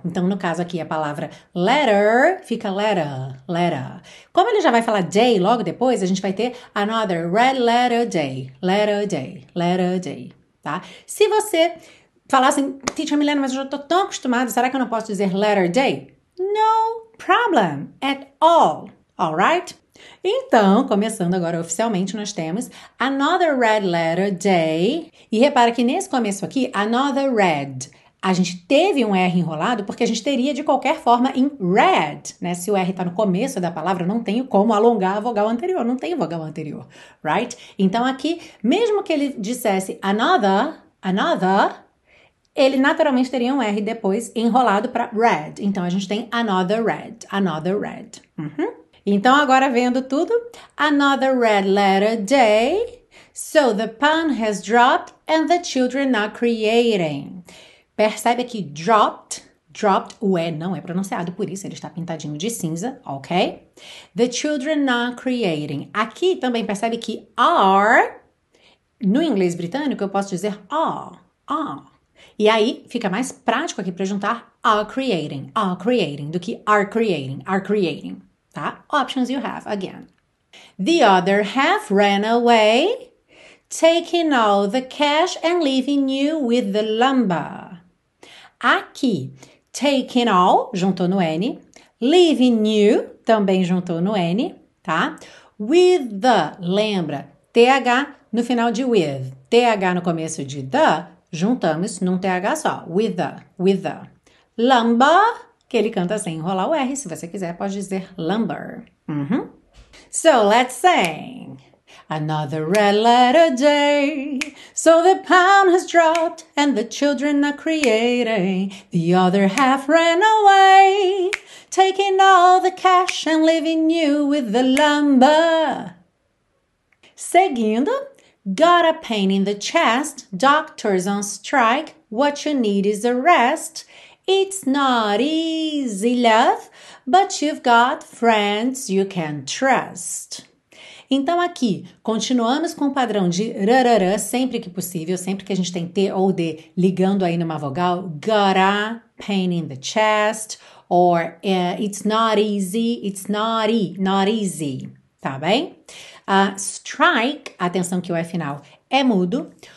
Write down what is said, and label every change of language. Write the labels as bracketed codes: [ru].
[pt] Então, no caso aqui, a palavra letter fica letter, letter. Como ele já vai falar day logo depois, a gente vai ter [en] another red letter day, [pt] letter day, letter day, tá? Se você falasse assim, Teacher Milena, mas eu já tô tão acostumado, será que eu não posso dizer letter day? [en] No problem at all, alright? [pt] Então, começando agora oficialmente, nós temos [en] another red letter day. [pt] E repara que nesse começo aqui, another red, a gente teve um R enrolado porque a gente teria de qualquer forma em red, né? Se o R está no começo da palavra, não tenho como alongar a vogal anterior, não tem vogal anterior, right? Então aqui, mesmo que ele dissesse another, another, ele naturalmente teria um R depois enrolado para red. Então a gente tem another red, another red. Então, agora vendo tudo, [en] another red letter day, so the pun has dropped and the children are creating. [pt] Percebe aqui, dropped, o E não é pronunciado, por isso ele está pintadinho de cinza, ok? [en] The children are creating. [pt] Aqui também percebe que are, no inglês britânico eu posso dizer are. E aí fica mais prático aqui para juntar are creating, do que are creating, are creating. Tá? [en] Options you have again. The other half ran away, taking all the cash and leaving you with the lumber. [pt] Aqui, [en] taking all, [pt] juntou no N, [en] leaving you, [pt] também juntou no N, tá? With the, lembra, TH no final de with, TH no começo de the, juntamos num TH só, with the. Lumber. Que ele canta sem enrolar o R, se você quiser, pode dizer lumber. [en] So let's sing. Another red letter day. So the pound has dropped and the children are creating. The other half ran away, taking all the cash and leaving you with the lumber. Seguindo, got a pain in the chest, doctors on strike, what you need is a rest. It's not easy, love, but you've got friends you can trust. [pt] Então, aqui, continuamos com o padrão de rarará sempre que possível, sempre que a gente tem T ou D ligando aí numa vogal. [en] Gará, pain in the chest, or it's not easy, it's naughty, not easy, [pt] tá bem? Strike, atenção que o E final é mudo.